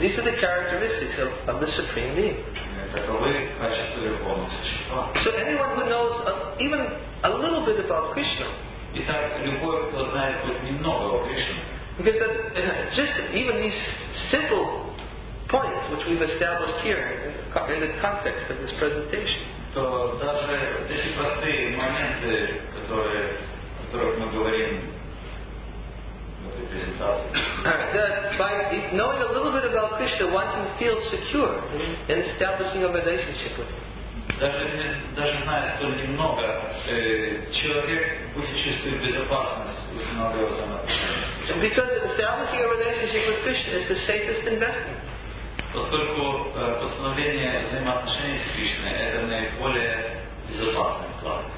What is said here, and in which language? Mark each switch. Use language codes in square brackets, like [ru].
[en] These are the characteristics of the supreme being. [ru] Таковы качества верховного существа. [en] So anyone who knows even a little bit about Krishna. [ru] Итак, любой, кто знает хоть немного о Кришне. [en] Because that, just even these simple points which we've established here in the context of this presentation. [ru] То даже эти простые моменты, о которых мы говорим в этой презентации. [en] That by knowing a little bit about Krishna, one can feel secure in establishing a relationship with him. [ru] Даже зная столь немного, человек будет чувствовать безопасность, если он его сам. [en] Because establishing a relationship with Krishna is the safest investment. [ru] поскольку постановление взаимоотношений с Кришной это наиболее безопасный план.